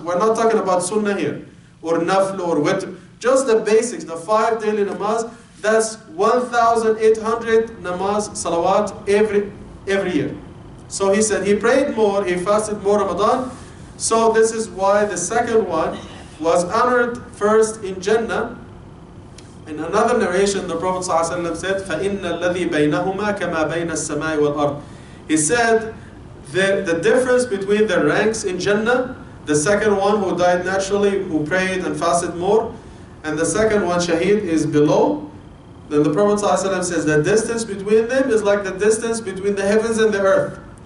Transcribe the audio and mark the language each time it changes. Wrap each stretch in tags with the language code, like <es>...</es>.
<en>We're not talking about sunnah here, or nafl, or witr. Just the basics, the 5 daily namaz, that's 1,800 namaz, salawat, every year. So he said he prayed more, he fasted more Ramadan. So this is why the second one was honored first in Jannah. In another narration, the Prophet ﷺ said,</en> <ar>فَإِنَّ الَّذِي بَيْنَهُمَا كَمَا بَيْنَ السَّمَاءِ وَالْأَرْضِ.</ar> <en>He said that the difference between the ranks in Jannah, the second one who died naturally, who prayed and fasted more, and the second one, shaheed, is below. Then the Prophet ﷺ says, the distance between them is like the distance between the heavens and the earth.</en>